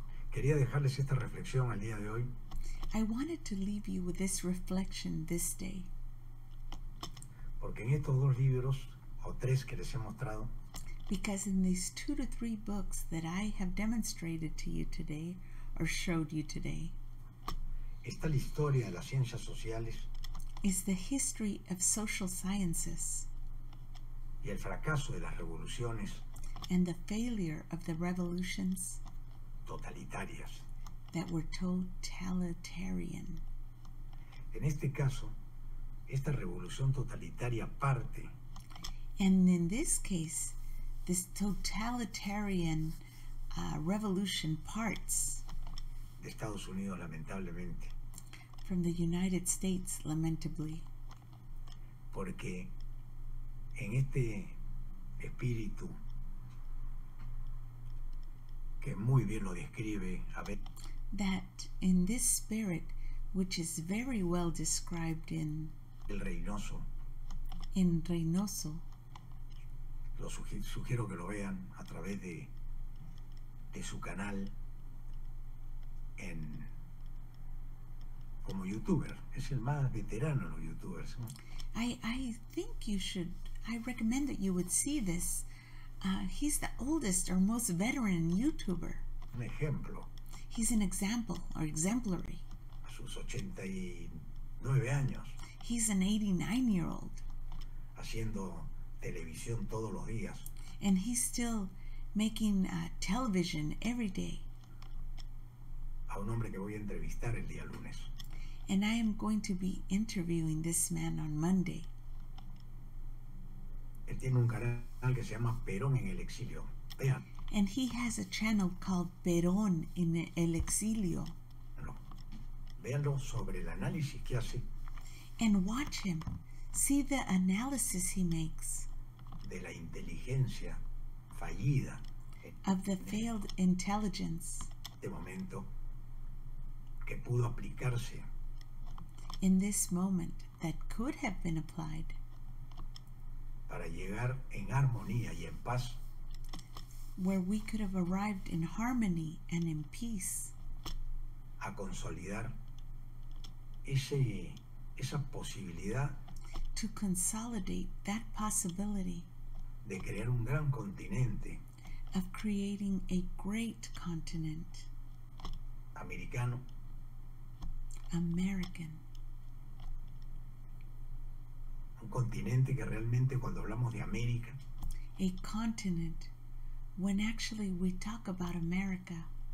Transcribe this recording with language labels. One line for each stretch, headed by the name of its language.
Spanish: Quería dejarles esta reflexión al día de hoy.
English: I wanted to leave you with this reflection this day.
Spanish: Porque en estos dos libros o tres que les he mostrado.
English: Because in these two to three books that I have demonstrated to you today or showed you today.
Spanish: Está la historia de las ciencias sociales.
English: Is the history of social sciences.
Spanish: Y el fracaso de las revoluciones.
English: And the failure of the revolutions.
Spanish: Totalitarias.
English: That were totalitarian.
Spanish: En este caso, esta revolución totalitaria parte.
English: And in this case, this totalitarian revolution parts.
Spanish: De Estados Unidos, lamentablemente.
English: From the United States, lamentably.
Spanish: Porque en este espíritu que muy bien lo describe a ver.
English: That in this spirit, which is very well described in
Spanish: El Reynoso.
English: In Reynoso.
Spanish: Lo sugiero que lo vean a través de su canal en como youtuber. Es el más veterano de los youtubers.
English: I think you should. I recommend that you would see this. He's the oldest or most veteran YouTuber.
Spanish: Un ejemplo.
English: He's an example or exemplary.
Spanish: A sus 89 años.
English: He's an 89-year-old.
Spanish: Haciendo televisión todos los días.
English: And he's still making television every day.
Spanish: A un hombre que voy a entrevistar el día lunes.
English: And I am going to be interviewing this man on Monday.
Spanish: Él tiene un canal que se llama Perón en el exilio. Vean.
English: And he has a channel called Perón en el exilio.
Spanish: No. Véanlo sobre el análisis que hace.
English: And watch him. See the analysis he makes.
Spanish: De la inteligencia fallida.
English: Of the failed intelligence.
Spanish: De momento que pudo aplicarse.
English: In this moment that could have been applied.
Spanish: Para llegar en armonía y en paz.
English: Where we could have arrived in harmony and in peace.
Spanish: A consolidar esa posibilidad.
English: To consolidate that possibility.
Spanish: De crear un gran continente.
English: Of creating a great continent.
Spanish: Americano.
English: American.
Spanish: Un continente que realmente cuando hablamos de América.
English: A continent when actually we talk about America.